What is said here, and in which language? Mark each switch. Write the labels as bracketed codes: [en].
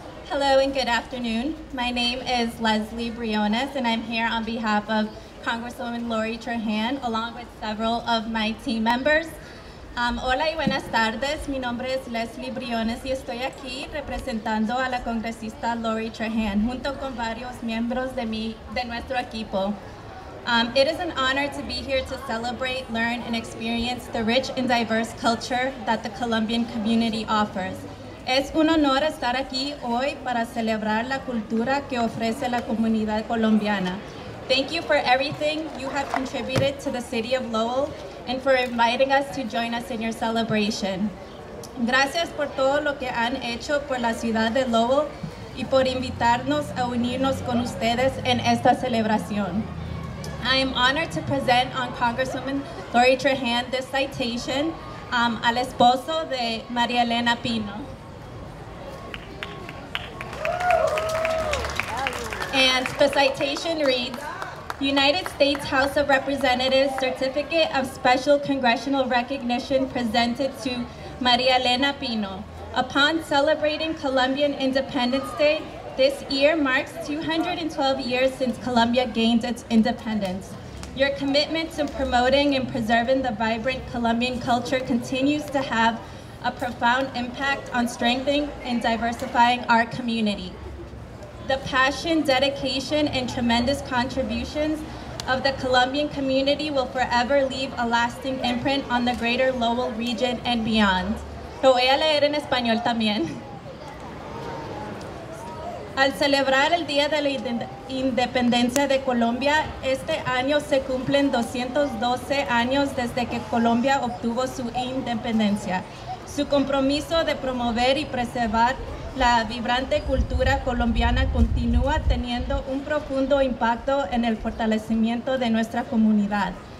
[en] Hello and good afternoon. My name is Leslie Briones, and I'm here on behalf of Congresswoman Lori Trahan, along with several of my team members. [es] Hola y buenas tardes. Mi nombre es Leslie Briones, y estoy aquí representando a la congresista Lori Trahan, junto con varios miembros de nuestro equipo. [en] It is an honor to be here to celebrate, learn, and experience the rich and diverse culture that the Colombian community offers. [es] Es un honor estar aquí hoy para celebrar la cultura que ofrece la comunidad colombiana. [en] Thank you for everything you have contributed to the city of Lowell and for inviting us to join us in your celebration. [es] Gracias por todo lo que han hecho por la ciudad de Lowell y por invitarnos a unirnos con ustedes en esta celebración. [en] I am honored to present on Congresswoman Lori Trahan this citation [es] al esposo de María Elena Pino. [en] And the citation reads, United States House of Representatives Certificate of Special Congressional Recognition presented to María Elena Pino. Upon celebrating Colombian Independence Day, this year marks 212 years since Colombia gained its independence. Your commitment to promoting and preserving the vibrant Colombian culture continues to have a profound impact on strengthening and diversifying our community. The passion, dedication, and tremendous contributions of the Colombian community will forever leave a lasting imprint on the greater Lowell region and beyond. [es] Lo voy a leer en español también. Al celebrar el Día de la Independencia de Colombia, este año se cumplen 212 años desde que Colombia obtuvo su independencia. Su compromiso de promover y preservar la vibrante cultura colombiana continúa teniendo un profundo impacto en el fortalecimiento de nuestra comunidad.